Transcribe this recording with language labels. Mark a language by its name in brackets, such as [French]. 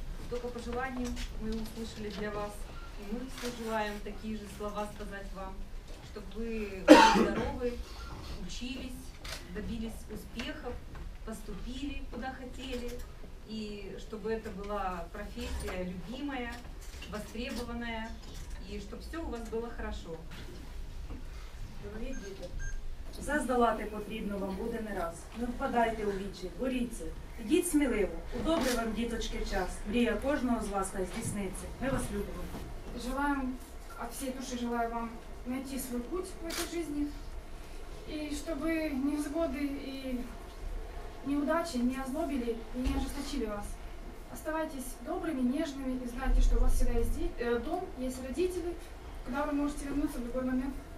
[Russian] Только пожелания мы услышали для вас, и мы все желаем такие же слова сказать вам, чтобы вы были здоровы, учились, добились успехов, поступили куда хотели, и чтобы это была профессия любимая, востребованная, и чтобы все у вас было хорошо. Добрый день. [Ukrainian] Заздалати потрібно вам буде не раз. Не впадайте у вічі, боріться. Ідіть сміливо, у добрий вам, діточки, час. Мрія кожного з вас хай здійсниться. Ми вас любимо. Желаю, а всій душі желаю вам знайти свій путь в цій житті. [Russian] И чтобы невзгоды и неудачи не озлобили и не ожесточили вас. Оставайтесь добрыми, нежными и знайте, что у вас всегда есть дом, есть родители, куда вы можете вернуться в любой момент.